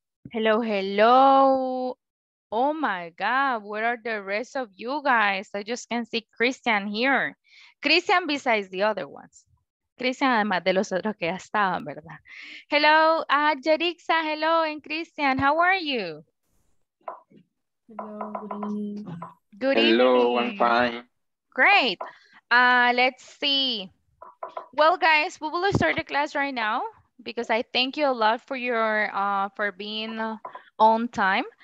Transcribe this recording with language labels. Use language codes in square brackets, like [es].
[en] Hello, hello. Oh my God, where are the rest of you guys? I just can see Christian here. Christian besides the other ones. [es] Christian además de los otros que ya estaban, ¿verdad? [en] Hello, Jerixa, hello, and Christian, how are you? Hello, good evening. Good evening. Hello, I'm fine. Great. Let's see. Well, guys, we will start the class right now, because I thank you a lot for your for being on time.